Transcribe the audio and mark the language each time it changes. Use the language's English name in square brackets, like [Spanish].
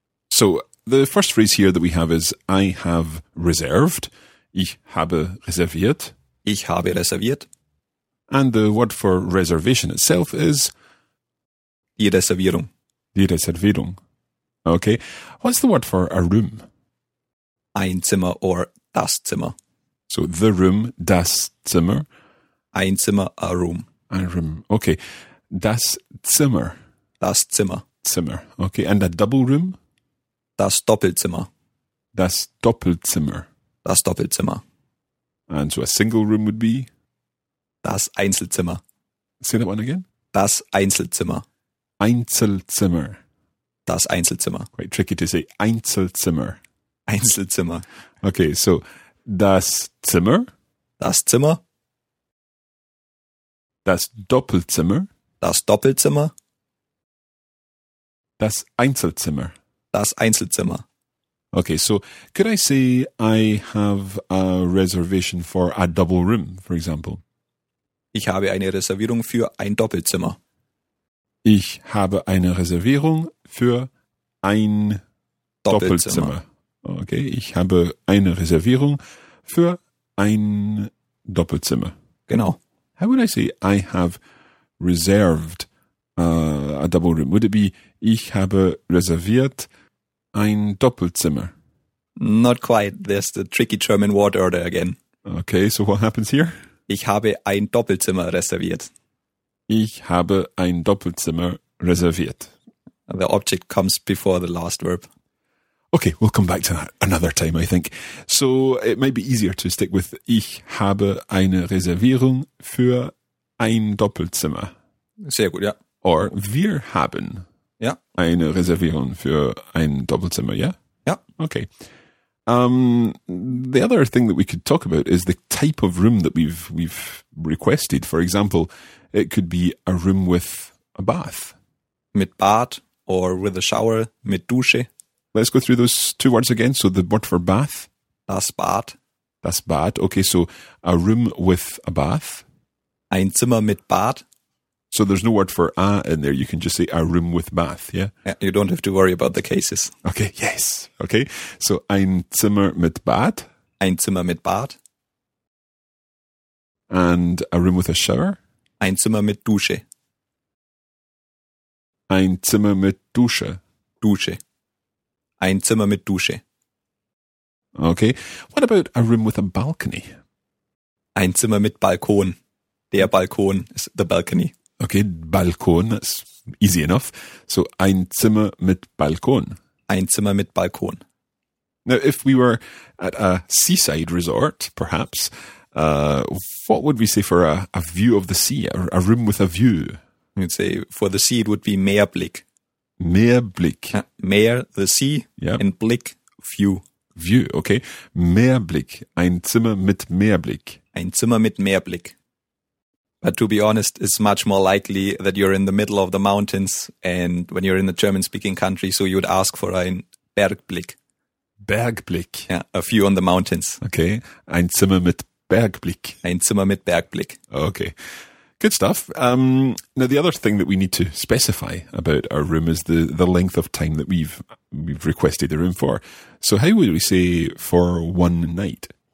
[English] So the first phrase here that we have is I have reserved. [German] Ich habe reserviert. Ich habe reserviert. [English] And the word for reservation itself is? [German] Die Reservierung. Die Reservierung. Okay. [English] What's the word for a room? [German] Ein Zimmer or das Zimmer. [English] So the room, [German] das Zimmer. Ein Zimmer, [English] a room. A room. Okay. [German] Das Zimmer. Das Zimmer. [English] Zimmer. Okay. And a double room? [German] Das Doppelzimmer. Das Doppelzimmer. Das Doppelzimmer. [English] And so a single room would be? [German] Das Einzelzimmer. [English] Say that one again. [German] Das Einzelzimmer. Einzelzimmer. Das Einzelzimmer. [English] Quite tricky to say. Einzelzimmer. [German] Einzelzimmer. Okay. So das Zimmer. Das Zimmer. Das Doppelzimmer. Das Doppelzimmer. Das Einzelzimmer. Das Einzelzimmer. [English] Okay, so could I say I have a reservation for a double room, for example? [German] Ich habe eine Reservierung für ein Doppelzimmer. Ich habe eine Reservierung für ein Doppelzimmer. Okay, ich habe eine Reservierung für ein Doppelzimmer. Genau. [English] How would I say I have reserved a double room? Would it be [German] ich habe reserviert ein Doppelzimmer? [English] Not quite. There's the tricky German word order again. Okay, so what happens here? [German] Ich habe ein Doppelzimmer reserviert. Ich habe ein Doppelzimmer reserviert. [English] The object comes before the last verb. Okay, we'll come back to that another time, I think. So it might be easier to stick with [German] ich habe eine Reservierung für ein Doppelzimmer. Sehr gut, ja. Or wir haben eine Reservierung für ein Doppelzimmer, yeah? Ja. [English] Okay. The other thing that we could talk about is the type of room that we've requested. For example, it could be a room with a bath. [German] Mit Bad [English] or with a shower, [German] mit Dusche. [English] Let's go through those two words again. So the word for bath. [German] Das Bad. Das Bad. [English] Okay, so a room with a bath. [German] Ein Zimmer mit Bad. [English] So there's no word for a in there. You can just say a room with bath, yeah? Yeah, you don't have to worry about the cases. Okay, yes. [German] Okay, so ein Zimmer mit Bad. Ein Zimmer mit Bad. [English] And a room with a shower. [German] Ein Zimmer mit Dusche. Ein Zimmer mit Dusche. Dusche. Ein Zimmer mit Dusche. [English] Okay. What about a room with a balcony? [German] Ein Zimmer mit Balkon. Der Balkon [English] is the balcony. Okay, Balkon, that's easy enough. So, [German] ein Zimmer mit Balkon. ein Zimmer mit Balkon. [English] Now, if we were at a seaside resort, perhaps, what would we say for a view of the sea, a room with a view? You'd say for the sea it would be Meerblick. [German] Meerblick. [English] Meer, the sea, yep. And Blick, view. View, okay. [German] Meerblick, ein Zimmer mit Meerblick. Ein Zimmer mit Meerblick. [English] But to be honest, it's much more likely that you're in the middle of the mountains and when you're in a German-speaking country, so you would ask for ein Bergblick. [German] Bergblick. [English] Yeah, a view on the mountains. Okay. [German] Ein Zimmer mit Bergblick. Ein Zimmer mit Bergblick. [English] Okay. Good stuff. Now, the other thing that we need to specify about our room is the length of time that we've requested the room for. So how would we say for one night?